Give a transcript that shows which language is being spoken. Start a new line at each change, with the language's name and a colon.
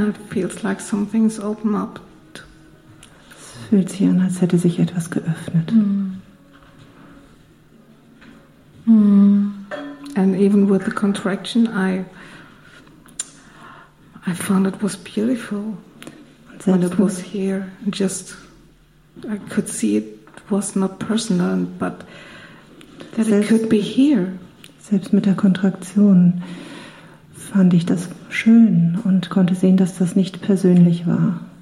English: Feels like something's open up.
German: Es fühlt sich an, als hätte sich etwas geöffnet.
English: And even with the contraction, I found it was beautiful. When it was here, just I could see it was not personal, but that it could be here.
German: Selbst mit der Kontraktion fand ich das schön und konnte sehen, dass das nicht persönlich war.